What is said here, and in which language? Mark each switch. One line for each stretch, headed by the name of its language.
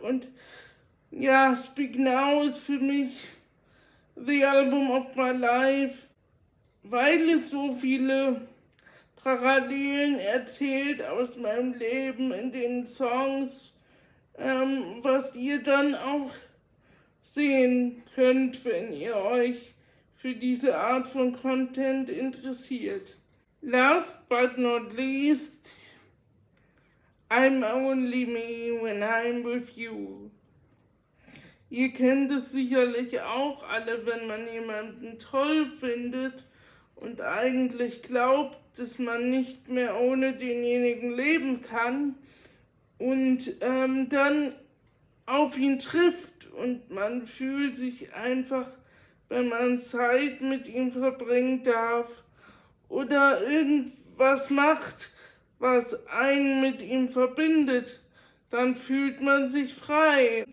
German: Und ja, Speak Now ist für mich
English: the Album of my life,
German: weil es so viele Parallelen erzählt aus meinem Leben in den Songs, was ihr dann auch sehen könnt, wenn ihr euch für diese Art von Content interessiert.
English: Last but not least, I'm only me when I'm with you.
German: Ihr kennt es sicherlich auch alle, wenn man jemanden toll findet und eigentlich glaubt, dass man nicht mehr ohne denjenigen leben kann und dann auf ihn trifft und man fühlt sich einfach, wenn man Zeit mit ihm verbringen darf oder irgendwas macht, was einen mit ihm verbindet, dann fühlt man sich frei.